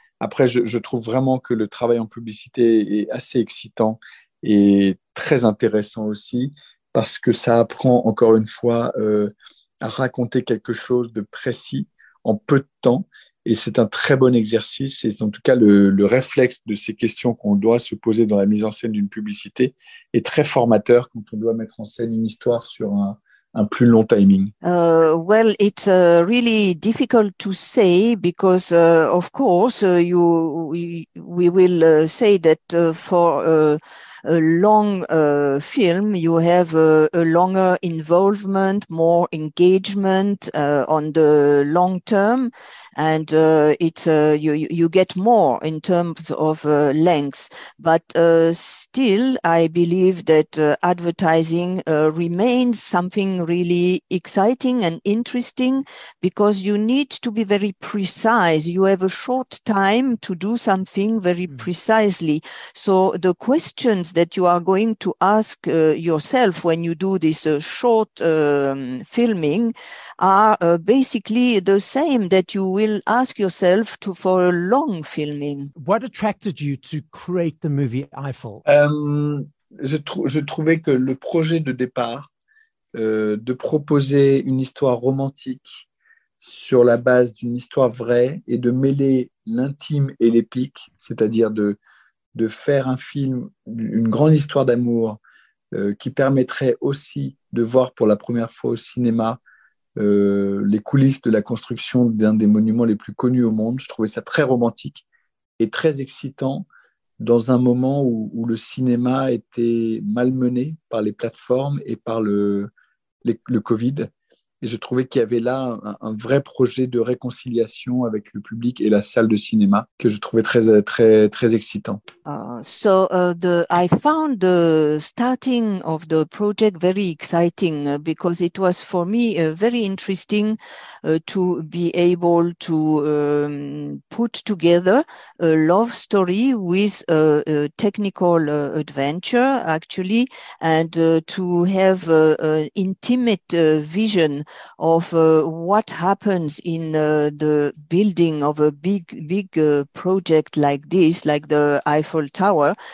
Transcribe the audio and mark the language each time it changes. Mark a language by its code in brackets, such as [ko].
[fr] Après, je trouve vraiment que le travail en publicité est assez excitant et très intéressant aussi, parce que ça apprend encore une fois à raconter quelque chose de précis en peu de temps. Et c'est un très bon exercice. Et en tout cas, le réflexe de ces questions qu'on doit se poser dans la mise en scène d'une publicité est très formateur quand on doit mettre en scène une histoire sur un plus long timing. [en] Well, it's really difficult to say because, of course, we will say that for a long film, you have a longer involvement, more engagement on the long term, and it's you get more in terms of length. But still, I believe that advertising remains something really exciting and interesting because you need to be very precise. You have a short time to do something very precisely. So the questions that you are going to ask yourself when you do this short filming are basically the same that you will ask yourself to for a long filming. What attracted you to create the movie Eiffel? [fr] Je trouvais que le projet de départ, de proposer une histoire romantique sur la base d'une histoire vraie et de mêler l'intime et l'épique, c'est-à-dire de faire un film, une grande histoire d'amour qui permettrait aussi de voir pour la première fois au cinéma les coulisses de la construction d'un des monuments les plus connus au monde. Je trouvais ça très romantique et très excitant dans un moment où le cinéma était malmené par les plateformes et par le Covid. Et je trouvais qu'il y avait là un vrai projet de réconciliation avec le public et la salle de cinéma que je trouvais très, très, très excitant. [en] I found the starting of the project very exciting because it was for me very interesting to be able to put together a love story with a technical adventure, actually, and to have an intimate vision of what happens in the building of a big project like this, like the Eiffel Tower,